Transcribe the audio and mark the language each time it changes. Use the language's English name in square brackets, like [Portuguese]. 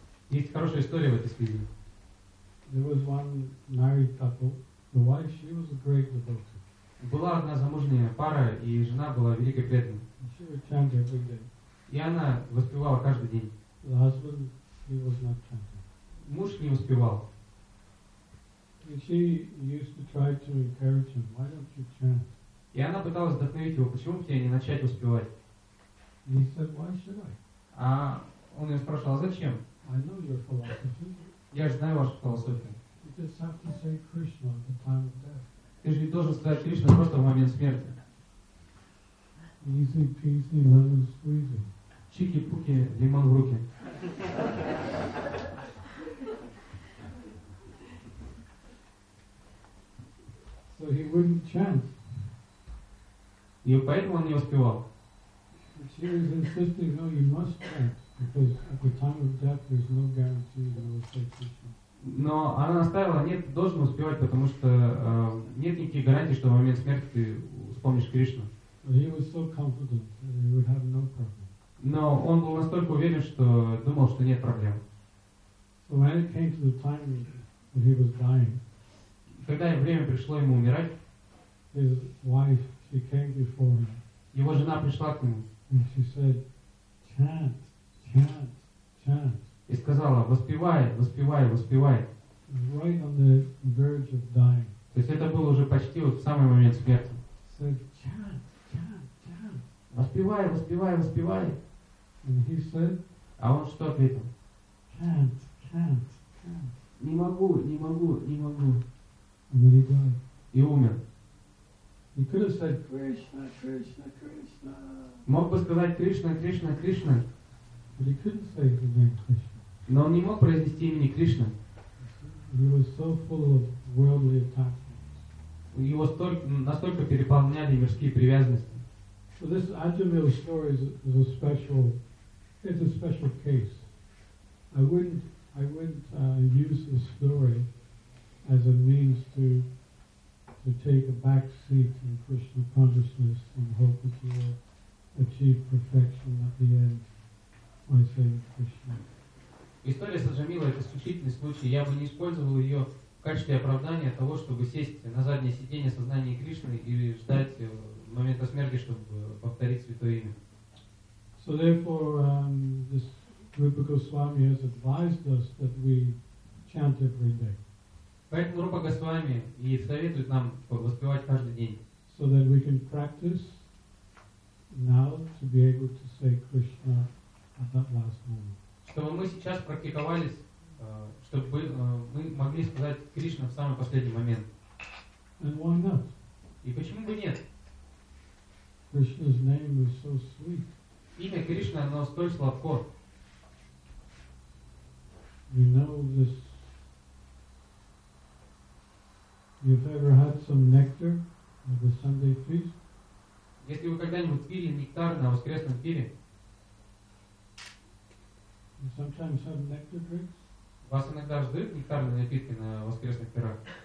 [Russian] Есть хорошая история в этой связи. [English] There was one married couple. The wife, she was a great devotee. [Russian] Была одна замужняя пара, и жена была великой преданной. [English] She would chant every day. [Russian] И она воспевала каждый день. [English] The husband, he was not chanting. [Russian] Муж не воспевал. [English] And she used to try to encourage him. Why don't you chant? [Russian] И она пыталась вдохновить его. Почему бы тебе не начать воспевать? [English] He said, why should I? [Russian] А он ее спрашивал, а зачем? [English] I know your philosophy. [Russian] Я же знаю вашу философию. [English] You just have to say Krishna at the time of death. [Russian] Ты же не должен сказать Кришна просто в момент смерти. [English] Easy peasy lemon squeezy. [Russian] Чики-пуки, лимон в руки. [English] So he wouldn't chant. [Russian] И поэтому он не успевал. [English] She was insisting, no, you must chant, because at the time of death, there's no guarantee that you will say Krishna. [Russian] Но она настаивала, нет, должен успевать, потому что нет никаких гарантий, что в момент смерти ты вспомнишь Кришну. [English] But he was so confident that he would have no problem. [Russian] Но он был настолько уверен, что думал, что нет проблем. [English] So when it came to the time that he was dying, [Russian] когда время пришло ему умирать, [English] his wife, she came before him. [Russian] Его жена пришла к нему. [English] And she said, chant, chant, chant. [Russian] И сказала, воспевай, воспевай, воспевай. [English] Right on the verge of dying. [Russian] То есть это было уже почти вот в самый момент смерти. [English] Said, chant, chant, chant. [Russian] Воспевай, воспевай, воспевай. [English] And he said, [Russian] а он что ответил? [English] Chant, chant, chant. [Russian] Не могу, не могу, не могу. [English] And then he died. [Russian] И умер. [English] He could have said Krishna, Krishna, Krishna. [Russian] Мог бы сказать Кришна, Кришна, Кришна. [English] But he couldn't say the name Krishna. [Russian] Но он не мог произнести имени Кришна. [English] He was so full of worldly attachments. [Russian] Его настолько переполняли мирские привязанности. [English] So this Ajamil story is a special, it's a special case. I wouldn't use the story as a means to take a back seat in Krishna consciousness and hope that you will achieve perfection at the end by saying Krishna. [Russian] История с Аджамилой — это исключительный случай. Я бы не использовал ее в качестве оправдания того, чтобы сесть на заднее сиденье сознания Кришны и ждать момента смерти, чтобы повторить Святое Имя. [English] So therefore, this Rupa Goswami has advised us that we chant every day. [Russian] Поэтому Рупа Госвами и советует нам воспевать каждый день. [English] So that we can practice now to be able to say Krishna at that last moment. [Russian] Чтобы мы сейчас практиковались, чтобы мы могли сказать Кришна в самый последний момент. [English] And why not? [Russian] И почему бы нет? [English] Krishna's name is so sweet. [Russian] Имя Кришна, оно столь сладко. [English] You know this. You've ever had some nectar at the Sunday feast? [Russian] Если вы когда-нибудь пили нектар на воскресном пире? [English] You sometimes have nectar drinks? [Russian] Вас иногда ждут нектарные напитки на воскресных пирах?